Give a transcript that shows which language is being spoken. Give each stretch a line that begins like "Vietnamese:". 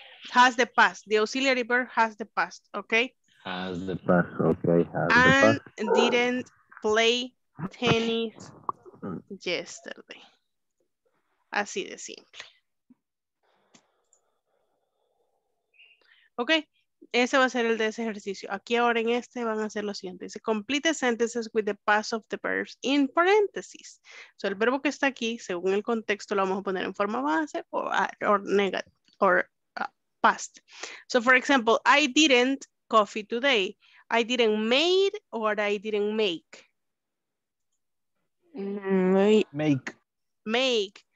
English: Has the past. The auxiliary verb has the past, okay? As the past, okay. And didn't play tennis yesterday.
Spanish: Así de simple. Ok, ese va a ser el de ese ejercicio. Aquí ahora en este van a ser los siguientes.
English: Complete sentences with the past of the verbs in parentheses.
Spanish: So el verbo que está aquí, según el contexto, lo vamos a poner en forma base
English: or negative, or past. So for example, I didn't coffee today. I didn't made or I didn't make. Make.